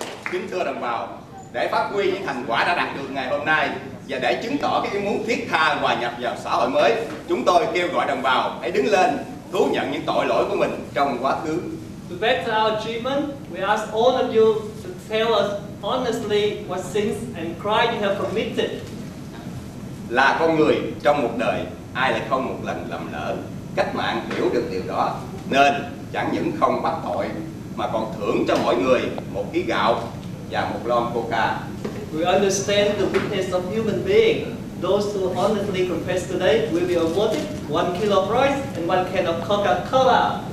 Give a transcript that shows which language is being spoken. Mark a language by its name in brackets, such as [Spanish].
[Vietnamese] Kính thưa đồng bào, để phát huy những thành quả đã đạt được ngày hôm nay và để chứng tỏ cái ý muốn thiết tha hòa nhập vào xã hội mới, chúng tôi kêu gọi đồng bào hãy đứng lên thú nhận những tội lỗi của mình trong quá khứ. [English] To better our achievement, we ask all of you to tell us honestly what sins and crimes you have committed. [Vietnamese] Là con người trong một đời, ai lại không một lần lầm lỡ? cách mạng hiểu được điều đó nên chẳng những không bắt tội mà còn thưởng cho mọi người một ký gạo và một lon coca. [English] We understand the weakness of human being. Those who honestly confess today will be awarded 1 kilo of rice and 1 can of Coca-Cola.